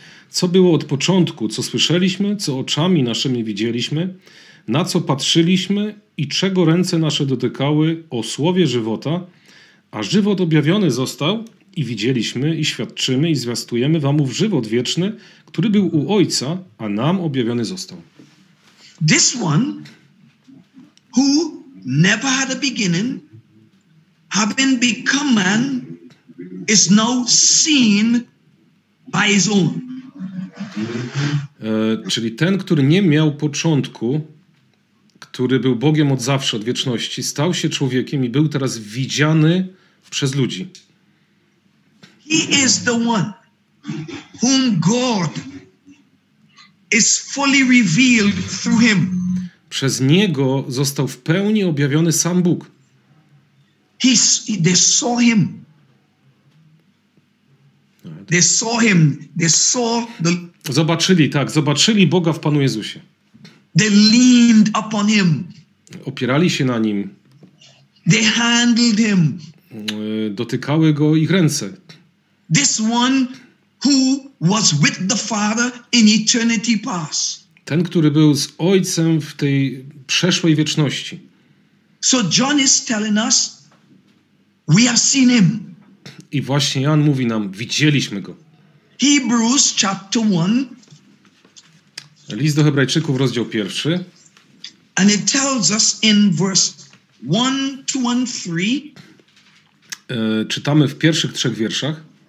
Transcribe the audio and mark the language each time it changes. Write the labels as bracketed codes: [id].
[pl] Co było od początku, co słyszeliśmy, co oczami naszymi widzieliśmy, na co patrzyliśmy i czego ręce nasze dotykały o słowie żywota, a żywot objawiony został i widzieliśmy i świadczymy i zwiastujemy wam ów żywot wieczny, który był u Ojca, a nam objawiony został. [en] This one, who never had a beginning, having become man, is now seen by his own. [pl] Czyli ten, który nie miał początku, który był Bogiem od zawsze, od wieczności, stał się człowiekiem i był teraz widziany przez ludzi. [en] He is the one whom God is fully revealed through him. [pl] Przez niego został w pełni objawiony sam Bóg. [en] They saw him. They saw him. They saw the. [pl] Zobaczyli, tak, zobaczyli Boga w Panu Jezusie. [en] They leaned upon him. [pl] Opierali się na nim. [en] They handled him. [pl] Dotykały go ich ręce. [en] This one who was with the Father in eternity past. [pl] Ten, który był z Ojcem w tej przeszłej wieczności. [en] So John is telling us, we have seen him. [pl] I właśnie Jan mówi nam, widzieliśmy go. [en] Hebrews chapter 1. [pl] List do Hebrajczyków, rozdział pierwszy. [en] And it tells us in verse 1, 2 and 3. [pl] Czytamy w pierwszych trzech wierszach.